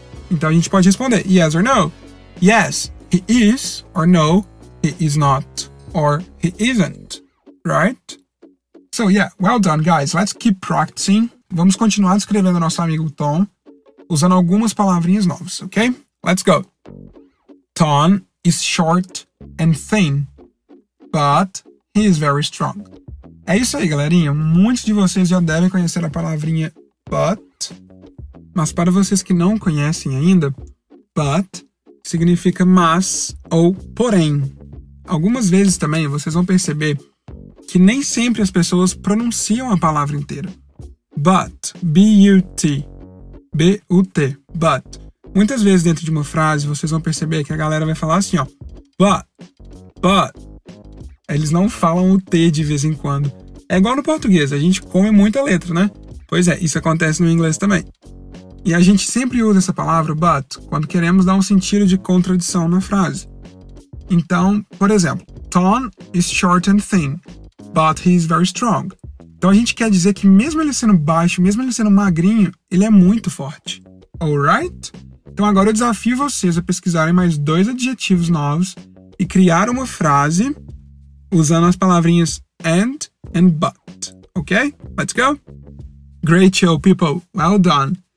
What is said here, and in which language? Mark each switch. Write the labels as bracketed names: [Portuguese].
[Portuguese] Então, a gente pode responder [English] yes or no. Yes, he is, or no, he is not, or he isn't, right? So, yeah, well done, guys. Let's keep practicing. [Portuguese] Vamos continuar descrevendo nosso amigo Tom usando algumas palavrinhas novas, ok? [English] Let's go. Tom is short and thin, but he is very strong. [Portuguese] É isso aí, galerinha. Muitos de vocês já devem conhecer a palavrinha but. Mas para vocês que não conhecem ainda, but significa mas ou porém. Algumas vezes também vocês vão perceber que nem sempre as pessoas pronunciam a palavra inteira. [English] But, B-U-T, B-U-T, but. [Portuguese] Muitas vezes dentro de uma frase vocês vão perceber que a galera vai falar assim, ó. But. Eles não falam o T de vez em quando. É igual no português, a gente come muita letra, né? Pois é, isso acontece no inglês também. E a gente sempre usa essa palavra, but, quando queremos dar um sentido de contradição na frase. Então, por exemplo, [English] Tom is short and thin, but he is very strong. [Portuguese] Então a gente quer dizer que mesmo ele sendo baixo, mesmo ele sendo magrinho, ele é muito forte. [English] Alright? [Portuguese] Então agora eu desafio vocês a pesquisarem mais dois adjetivos novos e criar uma frase usando as palavrinhas and but. Ok? [English] Let's go? Great show, people. Well done.